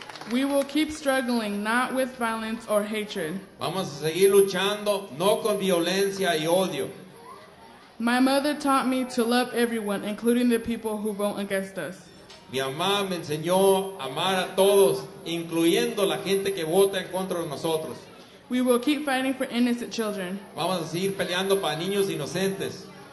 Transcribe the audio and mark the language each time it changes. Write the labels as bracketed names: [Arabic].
[English] We will keep struggling, not with violence or hatred. [Spanish] Vamos a seguir luchando, no con violencia y odio. [English] My mother taught me to love everyone, including the people who vote against us. [Spanish] Mi mamá me enseñó a amar a todos, incluyendo la gente que vota en contra de nosotros. [English] We will keep fighting for innocent children. [Spanish] Vamos a seguir peleando para niños inocentes.